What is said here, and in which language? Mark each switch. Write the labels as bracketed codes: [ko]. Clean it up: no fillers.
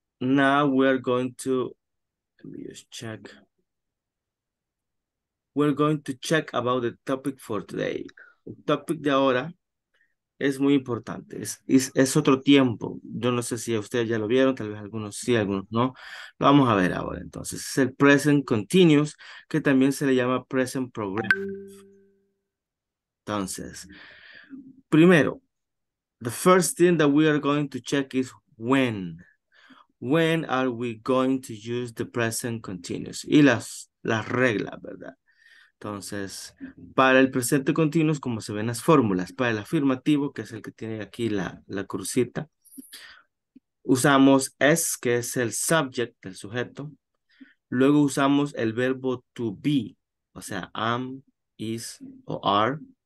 [en] Now we're going to, let me just check. We're going to check about the topic for today. [es] El topic de ahora es muy importante. Es otro tiempo. Yo no sé si ustedes ya lo vieron, tal vez algunos sí, algunos no. Lo vamos a ver ahora entonces. Es el present continuous, que también se le llama present progressive. Entonces, primero, [en] the first thing that we are going to check is when. When are we going to use the present continuous? [es] Y las reglas, ¿verdad? Entonces, para el presente continuo, como se ven las fórmulas, para el afirmativo, que es el que tiene aquí la crucita, usamos es, que es el subject, el sujeto. Luego usamos el verbo to be, o sea, am, is, o are.